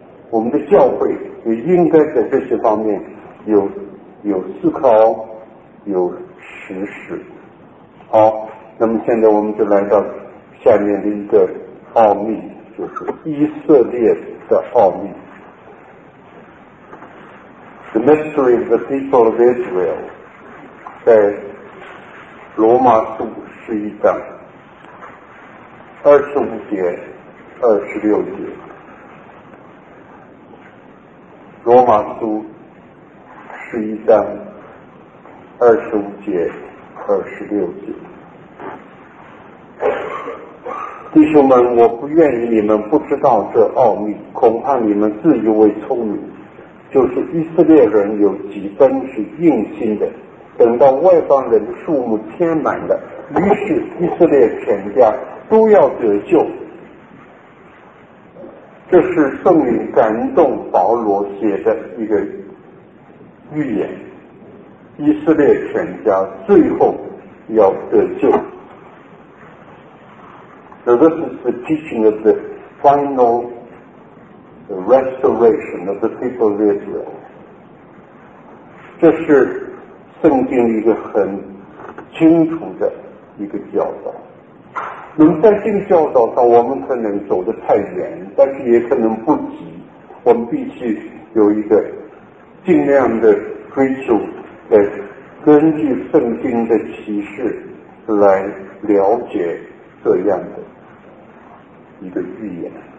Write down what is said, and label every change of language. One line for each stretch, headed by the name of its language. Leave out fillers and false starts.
Chinese: 我们的教会也应该在这些方面有思考，有实施。好，那么现在我们就来到下面的一个奥秘，就是以色列的奥秘。
English: The mystery of the people of Israel，
Chinese: 在罗马书十一章25节、26节。罗马书十一章25节、26节。弟兄们，我不愿意你们不知道这奥秘，恐怕你们自以为聪明，就是以色列人有几分是硬心的，等到外邦人的数目填满了，于是以色列全家都要得救。这是圣灵感动保罗写的一个预言，以色列全家最后要得救。
English: So this is the teaching of the final restoration of the people of Israel.
Chinese: 这是圣经一个很清楚的一个教导。那么在这个教导上，我们可能走得太远，但是也可能不急。我们必须有一个尽量的追求，来根据圣经的启示来了解这样的一个预言。